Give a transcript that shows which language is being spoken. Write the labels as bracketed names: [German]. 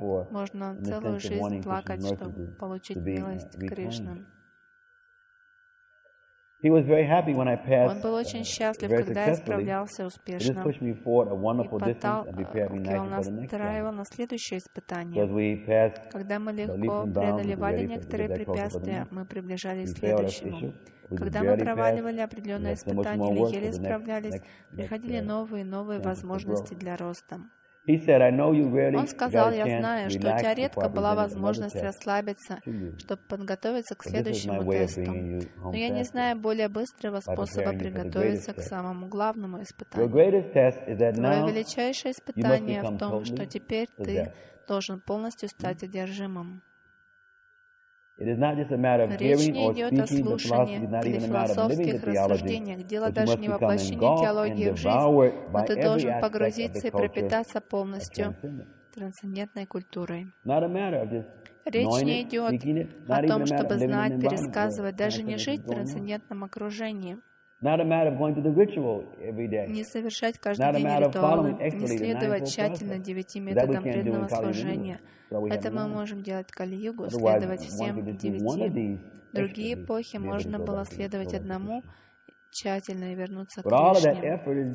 [Russian] Можно целую жизнь плакать, чтобы получить милость Кришны. [English] He was very happy when I passed. [Russian] Он был очень счастлив, когда я справлялся успешно. [English] This pushed me forward a wonderful distance and prepared me nicely for the next one. [Russian] Он настраивал на следующее испытание. [English] As we passed, [Russian] когда мы легко преодолевали некоторые препятствия, мы приближались к следующему. Когда мы проваливали определенные испытания или еле справлялись, приходили новые и новые возможности для роста. [English] He said, "I know you really got a chance to relax." [Russian] Он сказал: "Я знаю, что у тебя редко была возможность расслабиться, чтобы подготовиться к следующему тесту. Но я не знаю более быстрого способа приготовиться к самому главному испытанию. [English] Your greatest test is that now. [Russian] Твое величайшее испытание в том, что теперь ты должен полностью стать одержимым. [English] It is not just a matter of hearing or speaking the philosophy, not even a matter of living the theology, but you must become engulfed and devoured by every aspect of the culture of [Russian] трансцендентной культурой. [English] Not a matter of just [Russian] речь не идет о том, чтобы знать, пересказывать, даже не жить в трансцендентном окружении. [English] Not a matter of going to the ritual every day. [Russian] Не совершать каждый день ритуалы, не следовать тщательно девяти методам преданного служения. Это мы можем делать в Кали-югу, следовать всем девяти. Другие эпохи можно было следовать одному тщательно и вернуться к Кришне.